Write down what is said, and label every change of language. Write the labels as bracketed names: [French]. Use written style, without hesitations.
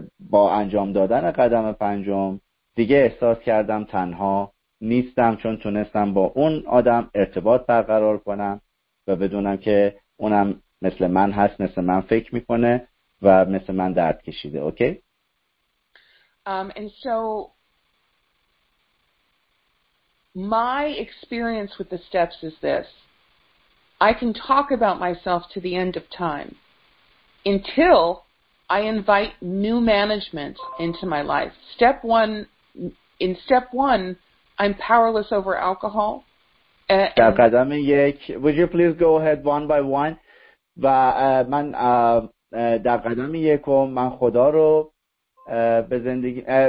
[Persian] با انجام دادن قدم پنجم دیگه احساس کردم تنها نیستم چون تونستم با اون آدم ارتباط برقرار کنم و بدونم که اونم مثل من هست، مثل من فکر میکنه و مثل من درد کشیده. اوکی؟ [English] And so my experience with the steps is this. I can talk about myself to the end of time until I invite new management into my life. Step one, in step one, I'm powerless over alcohol. [Persian] در قدم یک، [English] would you please go ahead one by one؟ [Persian] و من در قدم یکم من خدا رو به زندگی.